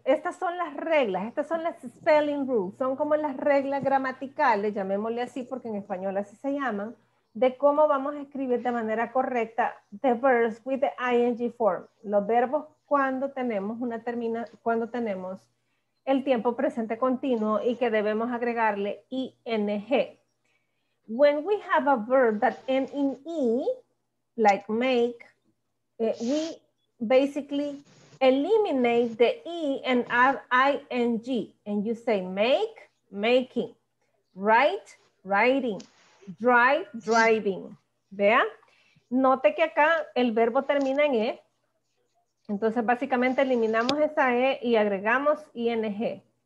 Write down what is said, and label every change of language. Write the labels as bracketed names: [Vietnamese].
[Spanish] Estas son las reglas, estas son las spelling rules. Son como las reglas gramaticales, llamémosle así porque en español así se llaman, de cómo vamos a escribir de manera correcta [English] the verbs with the ing form. [Spanish] Los verbos cuando tenemos una termina, cuando tenemos el tiempo presente continuo y que debemos agregarle ing. [English] When we have a verb that ends in e, like make, we basically eliminate the E and add ing, and you say make, making, write, writing, drive, driving. [Spanish] Vea, note que acá el verbo termina en E, entonces básicamente eliminamos esa E y agregamos ing.